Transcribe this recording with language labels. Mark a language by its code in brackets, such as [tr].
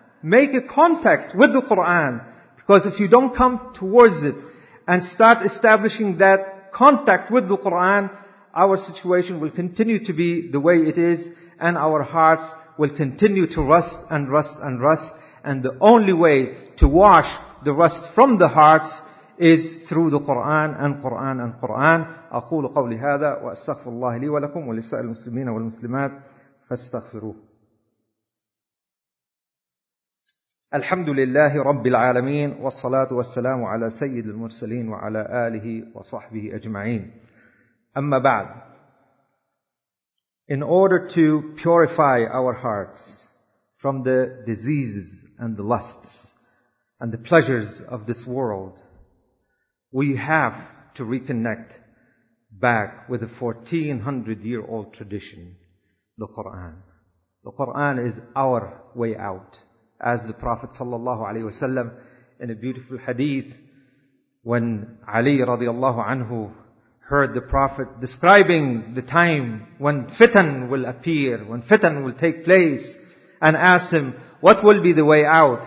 [en] Make a contact with the Qur'an. Because if you don't come towards it and start establishing that contact with the Qur'an, our situation will continue to be the way it is, and our hearts will continue to rust and rust and rust. And the only way to wash the rust from the hearts is through the Qur'an and Qur'an and Qur'an. [ar] أقول قولي هذا وأستغفر الله لي ولكم ولسائر المسلمين والمسلمات فاستغفروه الحمد لله رب العالمين والصلاة والسلام على سيد المرسلين وعلى آله وصحبه أجمعين أما بعد [en] In order to purify our hearts from the diseases and the lusts and the pleasures of this world, we have to reconnect back with a 1400-year-old tradition, the Qur'an. The Qur'an is our way out. As the Prophet sallallahu alayhi wasallam in a beautiful hadith, when Ali radiallahu anhu heard the Prophet describing the time when fitan will appear, when fitan will take place, and asked him, what will be the way out?